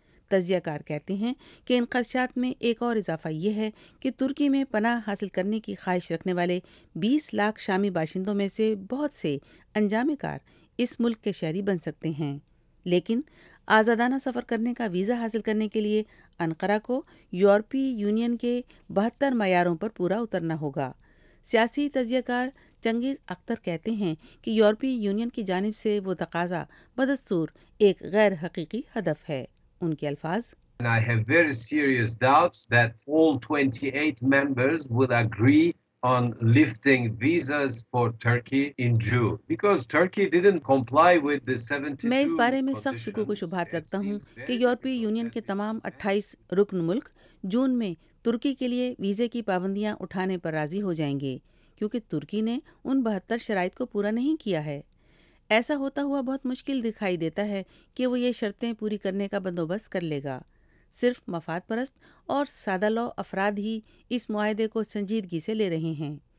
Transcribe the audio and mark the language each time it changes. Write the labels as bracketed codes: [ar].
[ur] تجزیہ کار کہتے ہیں کہ ان خدشات میں ایک اور اضافہ یہ ہے کہ ترکی میں پناہ حاصل کرنے کی خواہش رکھنے والے 20 لاکھ شامی باشندوں میں سے بہت سے انجام کار اس ملک کے شہری بن سکتے ہیں، لیکن آزادانہ سفر کرنے کا ویزا حاصل کرنے کے لیے انقرہ کو یورپی یونین کے 72 معیاروں پر پورا اترنا ہوگا۔ سیاسی تجزیہ کار چنگیز اختر کہتے ہیں کہ یورپی یونین کی جانب سے وہ تقاضا بدستور ایک غیر حقیقی ہدف ہے۔ ان کے الفاظ، [en] I have very serious doubts that all 28 members would agree on lifting visas for Turkey in June because Turkey didn't comply with the 72 [ur] میں اس بارے میں سخت شکوں کو شبہات رکھتا ہوں کہ یورپی یونین کے تمام 28 رکن ملک جون میں ترکی کے لیے ویزے کی پابندیاں اٹھانے پر راضی ہو جائیں گے، کیونکہ ترکی نے ان 72 شرائط کو پورا نہیں کیا ہے۔ ایسا ہوتا ہوا بہت مشکل دکھائی دیتا ہے کہ وہ یہ شرطیں پوری کرنے کا بندوبست کر لے گا۔ صرف مفاد پرست اور سادہ لو افراد ہی اس معاہدے کو سنجیدگی سے لے رہے ہیں۔